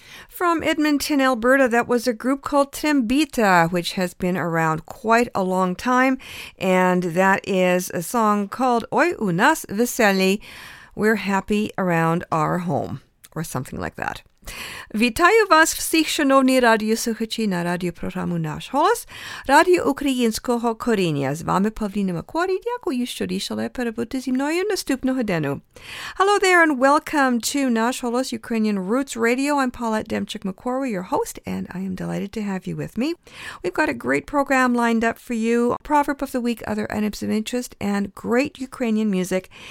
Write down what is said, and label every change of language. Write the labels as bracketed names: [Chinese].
[English] From Edmonton, Alberta, that was a group called Trembita, which has been around quite a long time, and that is a song called Oi Unas Veseli, We're Happy Around Our Home, or something like that. [Ukrainian] Вітаю вас всіх, шановні радіослухачі, на радіопрограму «Наш голос» Радіо Українського коріння. З вами Павліна Макуарі. Дякую, що рішили перебути зі мною наступного дню. [English] Hello there and welcome to «Наш голос» Ukrainian Roots Radio. I'm Paulette Demchuk-Macquarie, your host, and I am delighted to have you with me. We've got a great program lined up for you. Proverb of the Week, Other Items of Interest, and great Ukrainian music.